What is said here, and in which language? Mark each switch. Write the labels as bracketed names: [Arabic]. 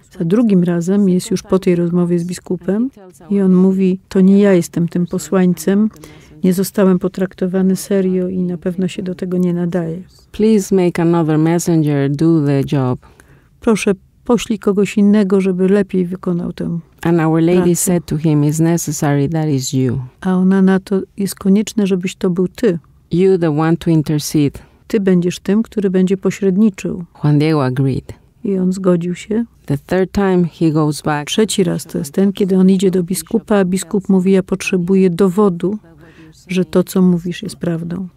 [Polish] Za drugim razem jest już po tej rozmowie z biskupem. I on mówi, to nie ja jestem tym posłańcem. Nie zostałem potraktowany serio i na pewno się do tego nie nadaję. [English] Please make another messenger do the job. [Polish] Proszę, poślij kogoś innego, żeby lepiej wykonał tę [English] And our lady [Polish] pracę. [English] Said to him, it's necessary, that is you. [Polish] A ona na to, jest konieczne, żebyś to był ty. [English] You the one to intercede. [Polish] Ty będziesz tym, który będzie pośredniczył. [English] Juan Diego agreed. [Polish] I on zgodził się. [English] The third time he goes back. [Polish] Trzeci raz to jest ten, kiedy on idzie do biskupa, a biskup mówi, ja potrzebuję dowodu, że to, co mówisz, jest prawdą.